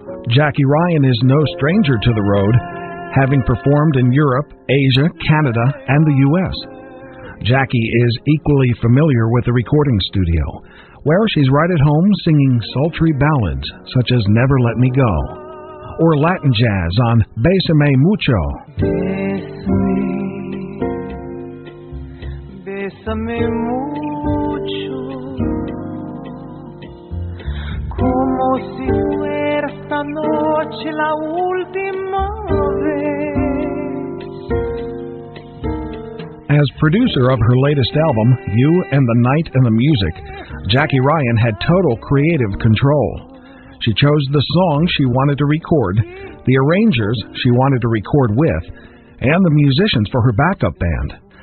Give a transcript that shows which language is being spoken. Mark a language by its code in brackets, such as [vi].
[en] Jackie Ryan is no stranger to the road, having performed in Europe, Asia, Canada, and the U.S. Jackie is equally familiar with the recording studio, where she's right at home singing sultry ballads such as Never Let Me Go, or Latin jazz on Bésame Mucho. [es] Bésame, bésame mucho, como si fuera esta noche la última vez. [en] As producer of her latest album, You and the Night and the Music, Jackie Ryan had total creative control. She chose the song she wanted to record, the arrangers she wanted to record with, and the musicians for her backup band.